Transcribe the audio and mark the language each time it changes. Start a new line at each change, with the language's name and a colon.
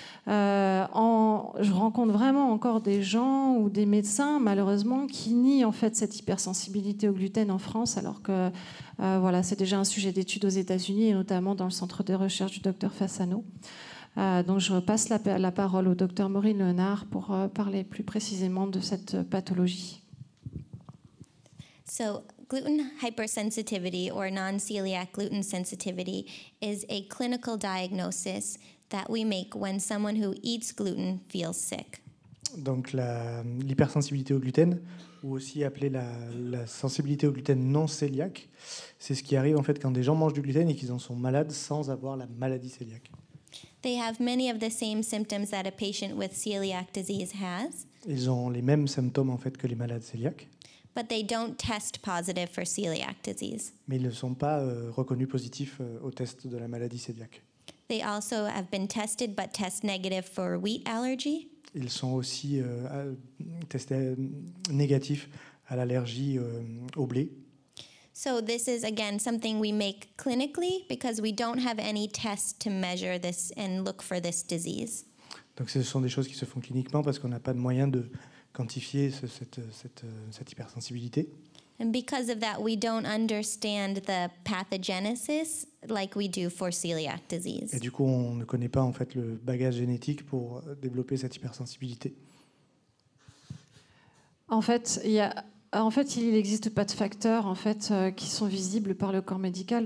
French: Je rencontre vraiment encore des gens ou des médecins malheureusement qui nient en fait cette hypersensibilité au gluten en France, alors que voilà, c'est déjà un sujet d'étude aux États-Unis et notamment dans le centre de recherche du docteur Fasano. Donc je repasse la parole au docteur Maureen Léonard pour parler plus précisément de cette pathologie.
English: So gluten hypersensitivity or non-celiac gluten sensitivity is a clinical diagnosis that we make when someone who eats gluten feels sick.
French: Donc l'hypersensibilité au gluten, ou aussi appelée la sensibilité au gluten non cœliaque, c'est ce qui arrive en fait quand des gens mangent du gluten et qu'ils en sont malades sans avoir la maladie cœliaque.
English: They have many of the same symptoms that a patient with celiac disease has.
French: Ils ont les mêmes symptômes en fait que les malades cœliaques.
English: But they don't test positive for celiac disease.
French: Mais ils ne sont pas reconnus positifs au test de la maladie cœliaque.
English: They also have been tested but test negative for wheat allergy.
French: Ils sont aussi testés négatifs à l'allergie au blé.
English: So this is again something we make clinically because we don't have any tests to measure this and look for this disease.
French: Donc ce sont des choses qui se font cliniquement parce qu'on n'a pas de moyen de quantifier cette hypersensibilité.
English: And because of that, we don't understand the pathogenesis like we do for celiac disease.
French: Et du coup, on ne connaît pas en fait le bagage génétique pour développer cette hypersensibilité. En fait, il n'existe pas de facteurs en fait qui sont visibles par le corps médical.